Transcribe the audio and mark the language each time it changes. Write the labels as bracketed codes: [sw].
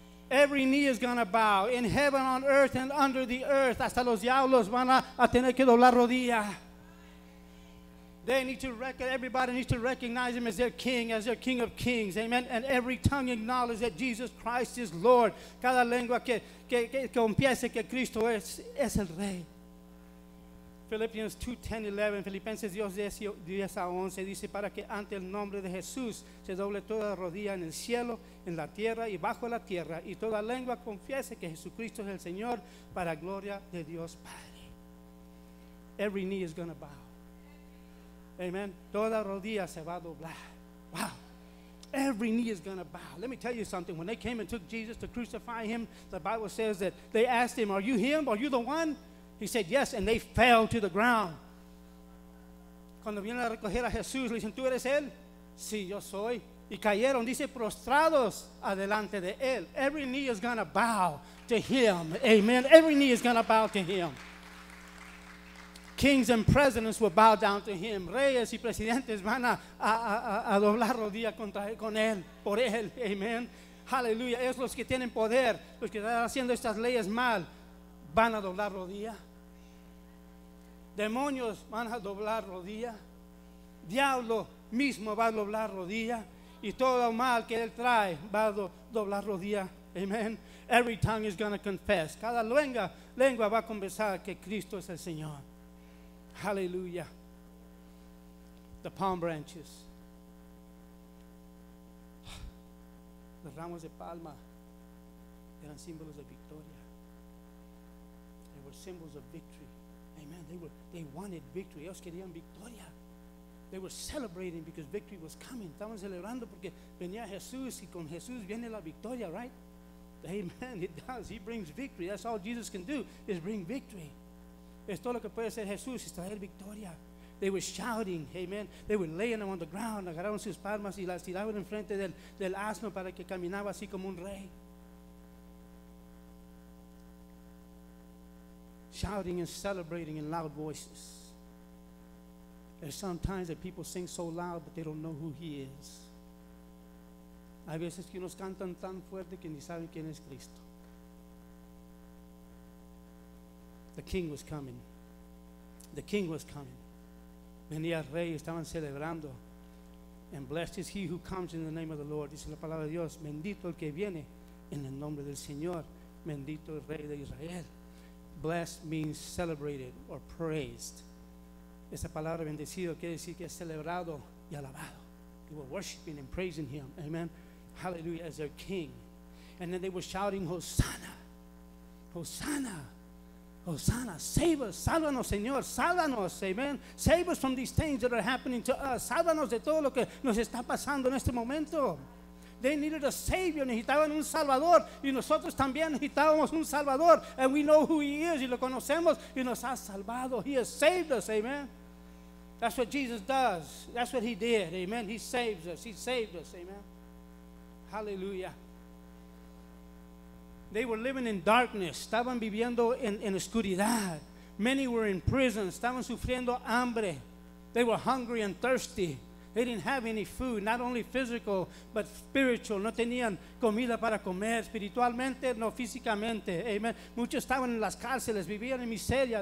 [en] Every knee is going to bow in heaven, on earth, and under the earth. [es] Hasta los diablos van a tener que doblar rodilla. [en] They need to recognize, everybody needs to recognize him as their king, as their King of Kings. Amen. And every tongue acknowledge that Jesus Christ is Lord. [es] Cada lengua que confiese que Cristo es el Rey. [en] Philippians 2, 10, 11. [es] Filipenses 2, 10 a 11. Dice, para que ante el nombre de Jesús se doble toda rodilla en el cielo, en la tierra y bajo la tierra. Y toda lengua confiese que Jesucristo es el Señor para gloria de Dios Padre. [en] Every knee is going to bow. Amen. [es] Toda rodilla se va a doblar. [en] Wow. Every knee is going to bow. Let me tell you something. When they came and took Jesus to crucify him, the Bible says that they asked him, are you him? Are you the one? He said, yes, and they fell to the ground. [es] Cuando vienen a recoger a Jesús, le dicen, ¿tú eres él? Sí, yo soy. Y cayeron, dice, prostrados adelante de él. [en] Every knee is going to bow to him. Amen. Every knee is going to bow to him. Kings and presidents will bow down to him. [es] Reyes y presidentes van a doblar rodillas con él, por él. Amen. Hallelujah. Es los que tienen poder, los que están haciendo estas leyes mal, van a doblar rodillas. Demonios van a doblar rodilla. Diablo mismo va a doblar rodilla. Y todo mal que él trae va a doblar rodilla. Amen. [en] Every tongue is going to confess. [es] Cada lengua va a confesar que Cristo es el Señor. Hallelujah. [en] The palm branches. [es] Los ramos de palma eran símbolos de victoria. [en] They were symbols of victory. Amen. They wanted victory. [es] Ellos querían victoria. [en] They were celebrating because victory was coming. [es] Estaban celebrando porque venía Jesús y con Jesús viene la victoria, right? [en] Amen. It does. He brings victory. That's all Jesus can do is bring victory. [es] Es todo lo que puede hacer Jesús es traer victoria. [en] They were shouting. [es] Amen. [en] They were laying them on the ground. [es] Agarraron sus palmas y las tiraron en frente del asno para que caminaba así como un rey. [en] Shouting and celebrating in loud voices. There's sometimes that people sing so loud, but they don't know who he is. [es] Hay veces que unos cantan tan fuerte que ni saben quién es Cristo. [en] The king was coming. The king was coming. [es] Venía el rey, estaban celebrando. [en] And blessed is he who comes in the name of the Lord. [es] Dice la palabra de Dios. Bendito el que viene en el nombre del Señor. Bendito el rey de Israel. [en] Blessed means celebrated or praised. [es] Esa palabra bendecido quiere decir que es celebrado y alabado. [en] They were worshiping and praising him. Amen. Hallelujah. As their king. And then they were shouting, Hosanna. Hosanna. Hosanna. Save us. [es] Sálvanos, Señor. Sálvanos. [en] Amen. Save us from these things that are happening to us. [es] Sálvanos de todo lo que nos está pasando en este momento. [en] They needed a Savior. [es] Necesitaban un Salvador. Y nosotros también necesitábamos un Salvador. [en] And we know who he is. [es] Y lo conocemos. Y nos ha salvado. [en] He has saved us. Amen. That's what Jesus does. That's what he did. Amen. He saves us. He saved us. Amen. Hallelujah. They were living in darkness. [es] Estaban viviendo en oscuridad. [en] Many were in prison. [es] Estaban sufriendo hambre. [en] They were hungry and thirsty. They didn't have any food, not only physical, but spiritual. [es] No tenían comida para comer, espiritualmente, no físicamente. Amen. Muchos estaban en las cárceles, vivían en miseria.